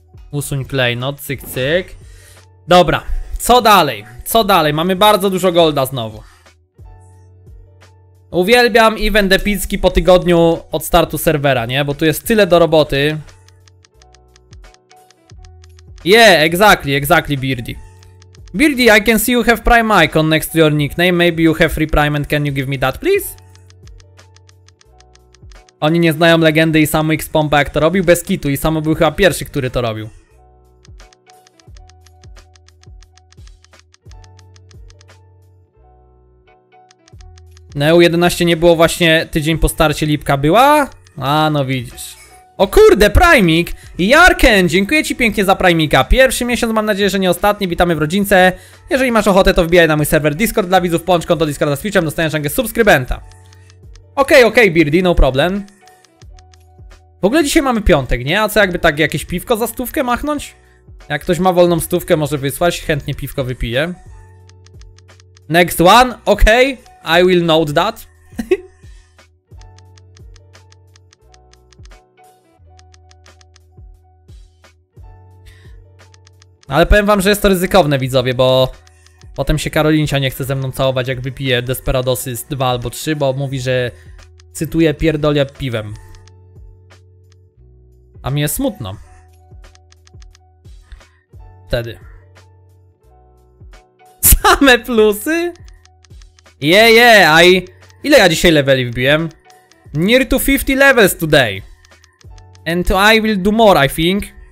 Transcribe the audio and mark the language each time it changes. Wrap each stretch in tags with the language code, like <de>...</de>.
<pl>Usuń klejnot, cyk, cyk. Dobra, co dalej? Co dalej? Mamy bardzo dużo golda znowu. Uwielbiam event epicki po tygodniu od startu serwera, nie? Bo tu jest tyle do roboty.</pl> <en>Yeah, exactly, exactly, Beardy. Beardy, I can see you have prime icon next to your nickname. Maybe you have free prime and can you give me that, please?</en> <pl>Oni nie znają legendy i samo X-Pompa jak to robił, bez kitu, i samo był chyba pierwszy, który to robił. Neu 11 nie było właśnie tydzień po starcie, lipka była? A, no widzisz. O kurde, Primik! Jarken, dziękuję ci pięknie za Primika. Pierwszy miesiąc, mam nadzieję, że nie ostatni. Witamy w rodzince. Jeżeli masz ochotę, to wbijaj na mój serwer Discord dla widzów, połącz konto Discorda z Twitchem, dostaniesz rangę subskrybenta. Okej, okej, Beardy,</pl> <en>no problem.</en> <pl>W ogóle dzisiaj mamy piątek, nie? A co, jakby tak jakieś piwko za stówkę machnąć? Jak ktoś ma wolną stówkę, może wysłać, chętnie piwko wypije.</pl> <en>Next one, okej, okay. I will note that.</en> <pl>Ale powiem wam, że jest to ryzykowne, widzowie, bo... Potem się Karolincia nie chce ze mną całować, jak wypije Desperadosy z 2 albo 3, bo mówi, że... Cytuję, pierdolę piwem. A mi jest smutno. wtedy. Same plusy? Yeah, ile ja dzisiaj leveli wbiłem?</pl> <en>Near to 50 levels today. And I will do more, I think.</en>